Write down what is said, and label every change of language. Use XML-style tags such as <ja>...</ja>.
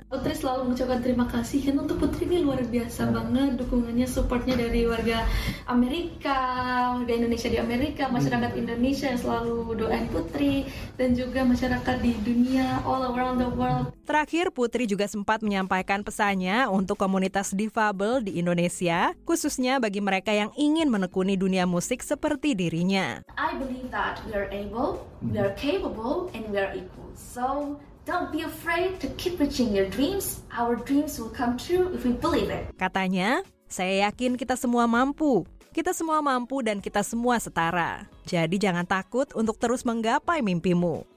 <id>Putri selalu mengucapkan terima kasih, kan untuk Putri ini luar biasa banget dukungannya, supportnya dari warga Amerika, warga Indonesia di Amerika, masyarakat Indonesia yang selalu doain Putri, dan juga masyarakat di dunia,</id> <en>all around the world.</en> <id>Terakhir, Putri juga sempat menyampaikan pesannya untuk komunitas difabel di Indonesia, khususnya bagi mereka yang ingin menekuni dunia musik seperti dirinya.</id> <en>I believe that we are able, we are capable, and we are equal. So, don't be afraid to keep reaching your dreams. Our dreams will come true if we believe it.</en> <id>Katanya, saya yakin kita semua mampu. Kita semua mampu dan kita semua setara. Jadi jangan takut untuk terus menggapai mimpimu.</id>